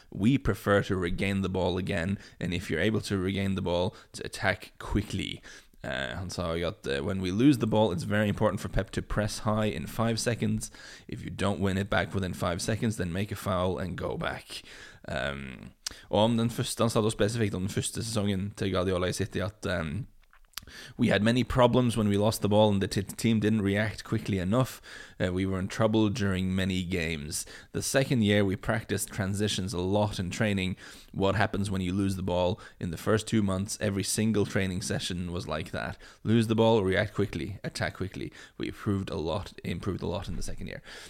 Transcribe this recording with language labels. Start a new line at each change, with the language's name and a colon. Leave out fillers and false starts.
English: We prefer to regain the ball again, and if you're able to regain the ball, to attack quickly.
Norwegian: Han sa også at
English: when we lose the ball, it's very important for Pep to press high in 5 seconds. If you don't win it back within 5 seconds, then make a foul and go back.
Norwegian: Og om den første, han sa da spesifikt om den første sesongen til Guardiola i City, at
English: we had many problems when we lost the ball and the team didn't react quickly enough. We were in trouble during many games. The second year we practiced transitions a lot in training. What happens when you lose the ball? In the first 2 months, every single training session was like that. Lose the ball, react quickly, attack quickly. We improved a lot in the second year.